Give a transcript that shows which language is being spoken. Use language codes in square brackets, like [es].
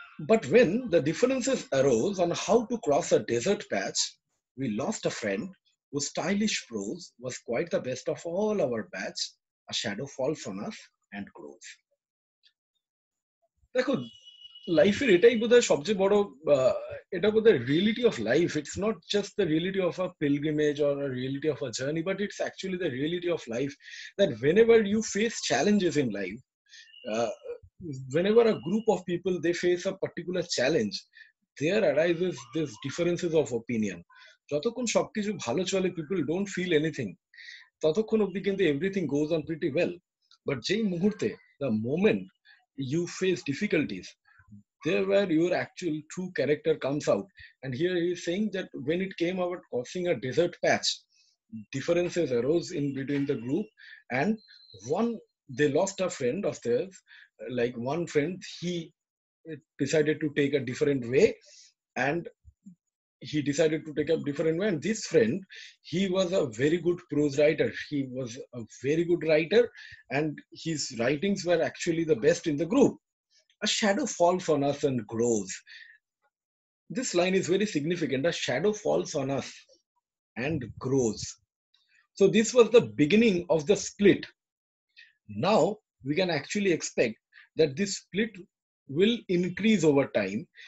[en] But when the differences arose on how to cross a desert patch, we lost a friend whose stylish prose was quite the best of all our batch. A shadow falls on us and grows. [bn] দেখো, লাইফের এটাই বোধহয় সবচেয়ে বড়, এটা বোধহয় [en] Reality of life. It's not just the reality of a pilgrimage or a reality of a journey, but it's actually the reality of life, that whenever you face challenges in life, whenever a group of people, they face a particular challenge, there arises this differences of opinion. [bn] যতক্ষণ সবকিছু ভালো চলে, [en] people don't feel anything, [bn] ততক্ষণ অব্দি কিন্তু [en] Everything goes on pretty well. But [bn] যেই মুহূর্তে, [en] The moment you face difficulties, there were your actual true character comes out. And here you saying that when it came about crossing a desert patch, differences arose in between the group, and one they lost a friend of theirs, like one friend he decided to take a different way, and he decided to take up different way. And this friend, he was a very good prose writer, he was a very good writer, and his writings were actually the best in the group. A shadow falls on us and grows. This line is very significant. A shadow falls on us and grows. So this was the beginning of the split. Now we can actually expect that this split will increase over time.